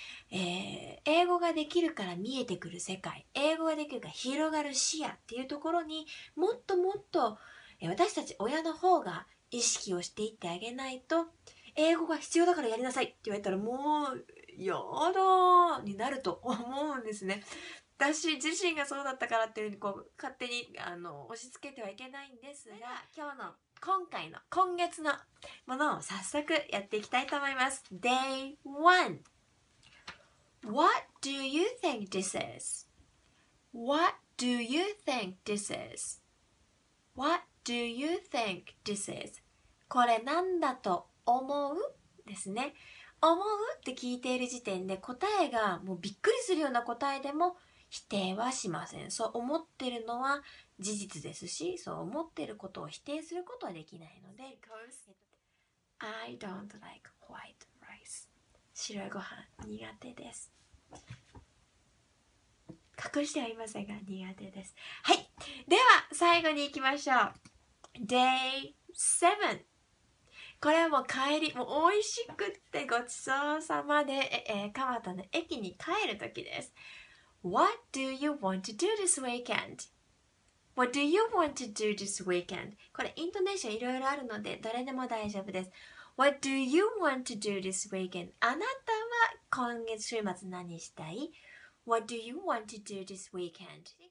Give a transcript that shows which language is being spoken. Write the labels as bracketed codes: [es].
[ja] 英語ができるから見えてくる世界、英語ができるから広がる視野っていうところに、もっともっと、私たち親の方が意識をしていってあげないと、英語が必要だからやりなさいって言われたらもう、やだーになると思うんですね。私自身がそうだったからっていうふうにこう、勝手に押し付けてはいけないんですが、今日の、今回の、今月のものを早速やっていきたいと思います。 [en] Day 1! What do you think this is? What do you think this is? What do you think this is? [ja] これなんだと思う？ですね。思うって聞いている時点で答えがもうびっくりするような答えでも否定はしません。そう思ってるのは事実ですし、そう思ってることを否定することはできないので。 [en] I don't like white rice. [ja] 白いご飯苦手です。隠してはいませんが苦手です。はい、では最後に行きましょう。 [en] Day 7。 [ja] これはもう帰り、もう美味しくってごちそうさまで、蒲田の駅に帰る時です。 [en] What do you want to do this weekend? What do you want to do this weekend? [ja] これイントネーションいろいろあるのでどれでも大丈夫です。 [en] What do you want to do this weekend? [ja] あなたは今月週末何したい？ [en] What do you want to do this weekend?